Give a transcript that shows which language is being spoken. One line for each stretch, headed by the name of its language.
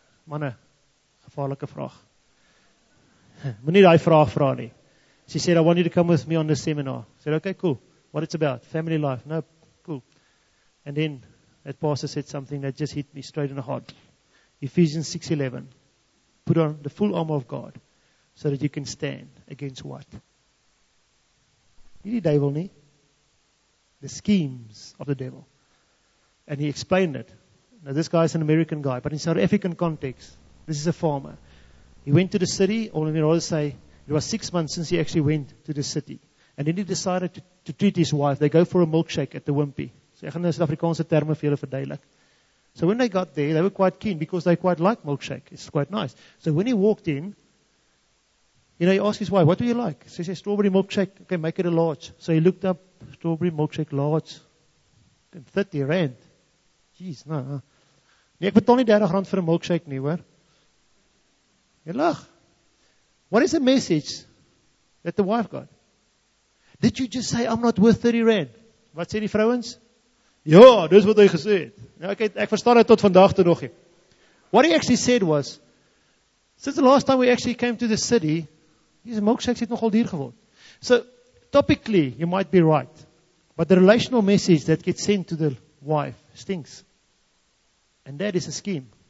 Afrikaans: Manne, gevaarlike vraag. Moenie daai vraag vra nie.
English: She said, I want you to come with me on the seminar. I said, okay, cool. What it's about? Family life. No, cool. And then that pastor said something that just hit me straight in the heart. Ephesians 6:11. Put on the full armor of God so that you can stand against what?
Afrikaans: Nie die duivel nie.
English: The schemes of the devil. And he explained it. Now this guy is an American guy, but in South African context, this is a farmer. He went to the city, or let me rather say, it was 6 months since he actually went to the city. And then he decided to treat his wife. They go for a milkshake at the Wimpy.
Afrikaans: So ek gaan nou Suid-Afrikaanse terme vir julle verduidelik.
English: So when they got there, they were quite keen because they quite like milkshake. It's quite nice. So when he walked in, you know, he asked his wife, what do you like? So he said, strawberry milkshake. Okay, make it a large. So he looked up, strawberry milkshake large. 30 rand. Jeez, no.
Afrikaans: Nee, ek betaal nie 30 rand vir 'n milkshake nie, hoor. Jy lag. What is the message that the wife got? Did you just say, I'm not worth 30 rand? Wat sê die vrouens? Ja, dis wat hy gesê het. Nou, ek verstaan dit tot vandag toe nog nie.
English: What he actually said was, since the last time we actually came to the city, his milkshakes
Afrikaans: het nogal duur geword.
English: So, topically, you might be right. But the relational message that gets sent to the wife stinks. And that is a scheme.